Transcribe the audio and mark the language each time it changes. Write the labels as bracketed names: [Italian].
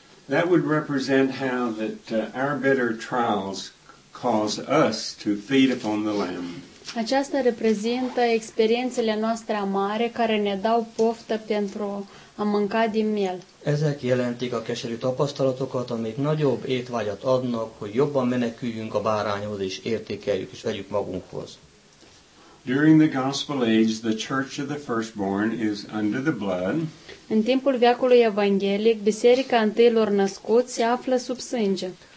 [English] That would represent how that our bitter trials cause us to feed upon the lamb. [Romanian] Aceasta reprezintă experiențele noastre amare care ne dau poftă pentru a mânca din miel. [Hungarian] Ezek jelentik a keserű tapasztalatokat, amik nagyobb étvágyat adnak, hogy jobban meneküljünk a bárányhoz és értékeljük és vegyük magunkhoz. [English] During the gospel age, the church of the firstborn is under the blood. [Romanian] În timpul veacului evanghelic, biserica întâilor născuți se află sub sânge.